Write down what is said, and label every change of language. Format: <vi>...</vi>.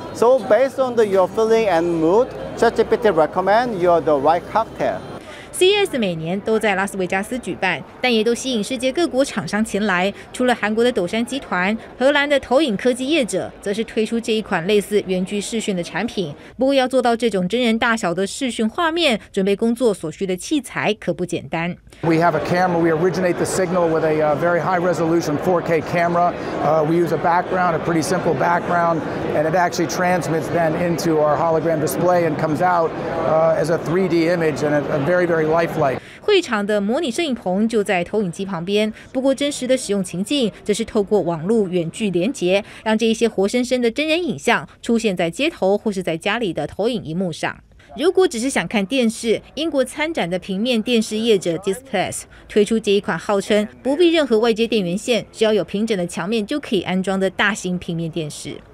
<en>So based on the, your feeling and mood, ChatGPT recommend you the right cocktail.</en> <zh>CES 每年都在拉斯维加斯举办，但也都吸引世界各国厂商前来。除了韩国的斗山集团，荷兰的投影科技业者则是推出这一款类似远距视讯的产品。不过要做到这种真人大小的视讯画面，准备工作所需的器材可不简单。</zh> <en>We have a camera. We originate the signal with a very high resolution 4K camera. We use a background, a pretty simple background, and it actually transmits then into our hologram display and comes out as a 3D image and a very very lifelike.</en> <zh>会场的模拟摄影棚就在投影机旁边，不过真实的使用情境则是透过网络远距连接，让这一些活生生的真人影像出现在街头或是在家里的投影荧幕上。如果只是想看电视，英国参展的平面电视业者 Displays 推出这一款号称不必任何外接电源线，只要有平整的墙面就可以安装的大型平面电视。</zh>